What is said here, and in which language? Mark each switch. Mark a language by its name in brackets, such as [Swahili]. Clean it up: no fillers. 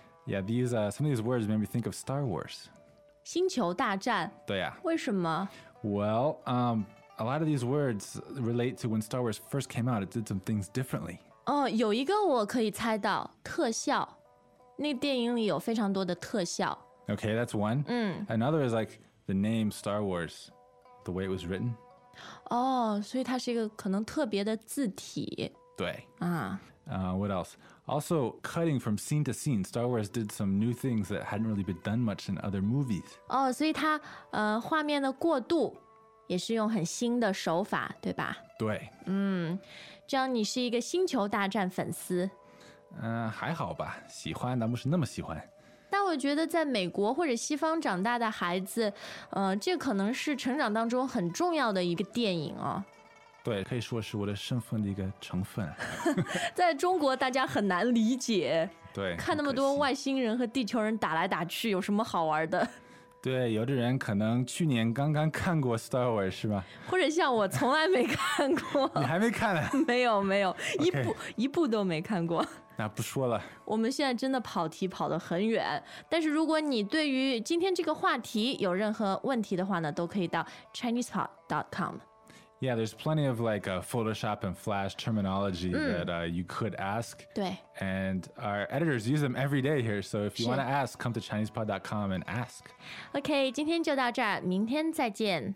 [English] Yeah, some of these words made me think of Star Wars. [Chinese] 星球大战？对呀。为什么？ [English] Well, a lot of these words relate to when Star Wars first came out. It did some things differently. [Chinese] 有一个我可以猜到，特效。那个电影里有非常多的特效。 [English] Okay, that's one. Another is like the name Star Wars, the way it was written. [Chinese] 所以它是一个可能特别的字体。对。 What else? [English] Also, cutting from scene to scene, Star Wars did some new things that hadn't really been done much in other movies. [Chinese] 所以它画面的过渡也是用很新的手法，对吧？对。这样你是一个星球大战粉丝。还好吧，喜欢但不是那么喜欢。但我觉得在美国或者西方长大的孩子，这可能是成长当中很重要的一个电影哦。对，可以说是我的身份的一个成分。在中国大家很难理解。对，看那么多外星人和地球人打来打去有什么好玩的。对，有的人可能去年刚刚看过 Star Wars 是吧？或者像我从来没看过。你还没看呢？没有没有、 [English] okay. [Chinese] 一部都没看过。那不说了，我们现在真的跑题跑得很远，但是如果你对于今天这个话题有任何问题的话呢，都可以到 ChinesePod.com. [English] Yeah, there's plenty of like Photoshop and Flash terminology that you could ask. [Chinese] 对。 [English] And our editors use them every day here, so if you want to ask, come to ChinesePod.com and ask. [Chinese] OK, 今天就到这儿，明天再见。